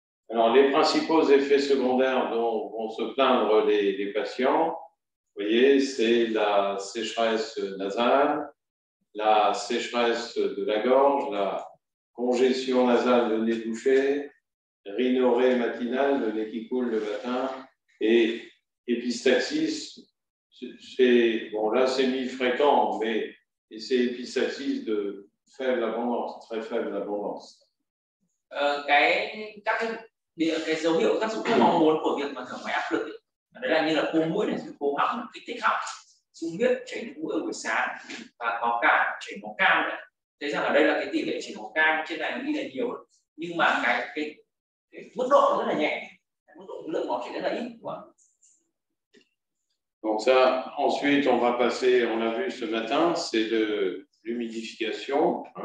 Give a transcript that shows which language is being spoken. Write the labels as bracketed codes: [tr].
[fr] Alors, les principaux effets secondaires dont vont se plaindre les patients, vous voyez, c'est la sécheresse nasale, la sécheresse de la gorge, la congestion nasale de nez bouché, rhinorrhée matinale, le nez qui coule le matin, et épistaxis. Là, c'est mi-fréquent, mais c'est épistaxis de faible abondance, très faible abondance. [vi] Cái dấu hiệu tác dụng mong muốn của việc mà thở máy áp lực đấy là như là khô mũi này, khô họng, kích thích họng, sung huyết, chảy nước mũi ở buổi sáng và có cả chảy máu cam nữa. Thế rằng ở đây là cái tỷ lệ chảy máu cam trên này ghi là nhiều, nhưng mà cái mức độ rất là nhẹ, mức độ lượng máu chảy rất là ít. [fr] Donc ça, ensuite, on va passer, on l'a vu ce matin, c'est de l'humidification.